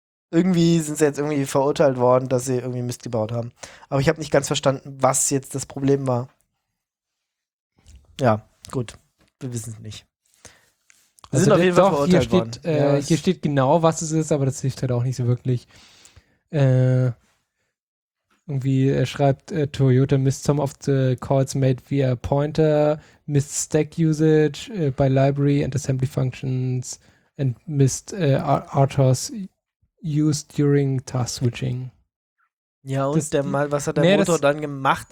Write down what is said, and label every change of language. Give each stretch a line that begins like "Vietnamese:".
German: Irgendwie sind sie jetzt irgendwie verurteilt worden, dass sie irgendwie Mist gebaut haben. Aber ich habe nicht ganz verstanden, was jetzt das Problem war. Ja, gut. Wir wissen es nicht. Wir also sind auf jeden Fall verurteilt worden. Steht, ja, hier steht genau, was es ist, aber das hilft halt auch nicht so wirklich. Irgendwie schreibt
English: Toyota missed some of the calls made via pointer, missed stack usage by library and assembly functions and missed RTOS used during task switching.
German: Ja, und das, der mal, was hat der Motor das, dann gemacht?